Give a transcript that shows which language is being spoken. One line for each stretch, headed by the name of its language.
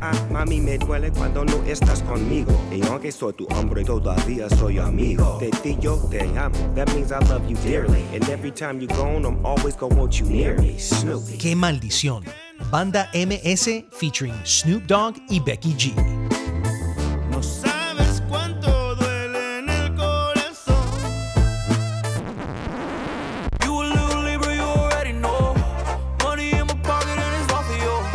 Spanish: mami, me duele cuando no estás conmigo. Y aunque soy tu hombre, todavía soy amigo. De ti yo te amo.
English: That means I love you dearly. And every time you go on, I'm always gonna want you near me. Snoopy.
Spanish: Qué maldición. Banda MS featuring Snoop Dogg y Becky G. No sabes cuánto duele en el corazón.
English: You a little Libra, you already know. Money in my pocket and it's off of you.